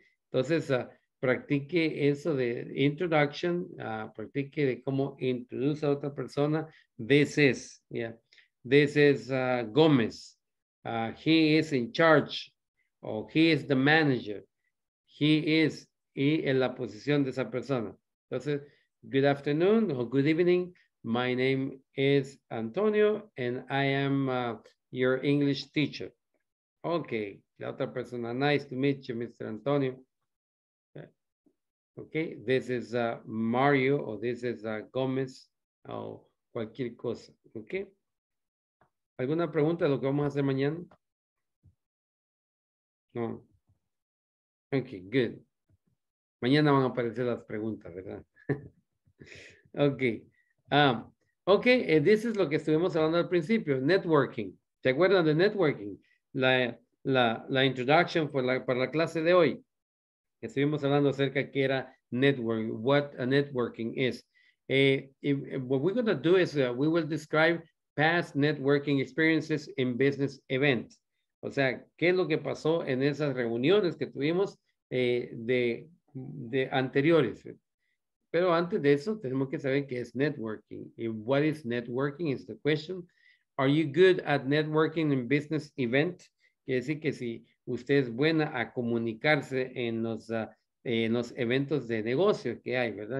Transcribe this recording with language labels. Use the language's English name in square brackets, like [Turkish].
[Spanish] Entonces, practique eso de introduction, practique de cómo introduce a otra persona. [English] This is, yeah. This is Gómez. He is in charge. Or he is the manager. He is, [Spanish] y en la posición de esa persona. [English] Entonces, good afternoon or good evening. My name is Antonio and I am your English teacher. Okay, [Spanish] la otra persona, [English] nice to meet you, Mr. Antonio. Okay, this is Mario, or this is Gómez, [Spanish] o cualquier cosa, [English] okay? [Spanish] ¿Alguna pregunta de lo que vamos a hacer mañana? No. Okay, good. Mañana van a aparecer las preguntas, ¿verdad? Okay. Okay, [English] this is [Spanish] lo que estuvimos hablando al principio, networking. ¿Te acuerdan de networking? La introduction para la clase de hoy. Estuvimos hablando acerca que era networking, [English] what a networking is. What we're going to do is we will describe past networking experiences in business events. [Spanish] O sea, ¿qué es lo que pasó en esas reuniones que tuvimos de anteriores? Pero antes de eso, tenemos que saber qué es networking. [English] And what is networking is the question. Are you good at networking in business event? [Spanish] Quiere decir que si usted es buena a comunicarse en los eventos de negocio que hay, ¿verdad?